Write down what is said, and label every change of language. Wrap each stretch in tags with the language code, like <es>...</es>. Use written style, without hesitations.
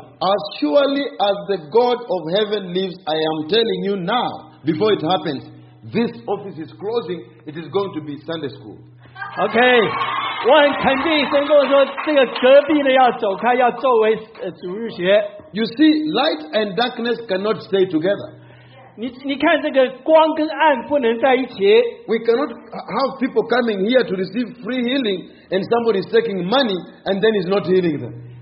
<en>As surely as the God of heaven lives, I am telling you now, before it happens, this office is closing. It is going to be Sunday school.</en> <zh>Okay, 我很肯定神跟我说，这个隔壁的要走开，要作为主日学。</zh> <en>You see, light and darkness cannot stay together.</en> <zh>你看这个光跟暗不能在一起。</zh> <en>We cannot have people coming here to receive free healing and somebody is taking money and then is not healing them.</en>